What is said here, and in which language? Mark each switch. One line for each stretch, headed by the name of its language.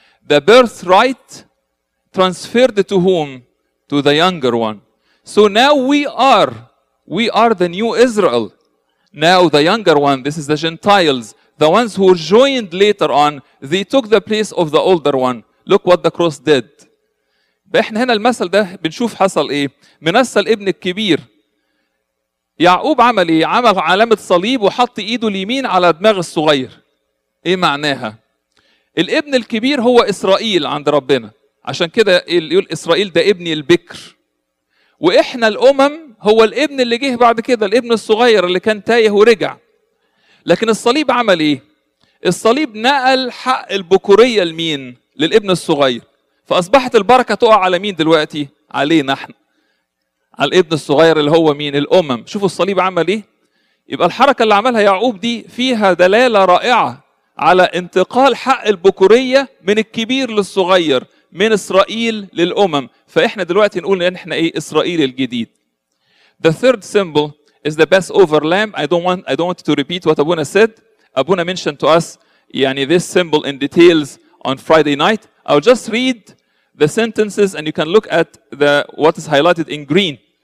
English: The birthright transferred to whom? To the younger one. So now we are the new Israel. Now the younger one, this is the Gentiles, the ones who joined later on, they took the place of the older one. Look what the cross did.
Arabic: احنا هنا المثل ده بنشوف حصل ايه. منسّى الابن الكبير يعقوب عمل ايه؟ عمل علامة صليب وحط ايده اليمين على دماغ الصغير. ايه معناها؟ الابن الكبير هو اسرائيل عند ربنا. عشان كده يقول اسرائيل ده ابني البكر. واحنا الامم هو الابن اللي جه بعد كده، الابن الصغير اللي كان تايه ورجع. لكن الصليب عمل ايه؟ الصليب نقل حق البكورية لمين؟ للابن الصغير. فأصبحت البركة تقع على مين دلوقتي؟ علينا احنا. على الابن الصغير اللي هو مين؟ الأمم. شوفوا الصليب عمل ايه؟ يبقى الحركة اللي عملها يعقوب دي فيها دلالة رائعة على انتقال حق البكورية من الكبير للصغير، من إسرائيل للأمم. فإحنا دلوقتي نقول ان احنا ايه؟ إسرائيل الجديد.
English: The third symbol is the Passover lamb. I don't want to repeat what Abuna said. Abuna mentioned to us يعني this symbol in details on Friday night. I'll just read the sentences and you can look at what is highlighted in green.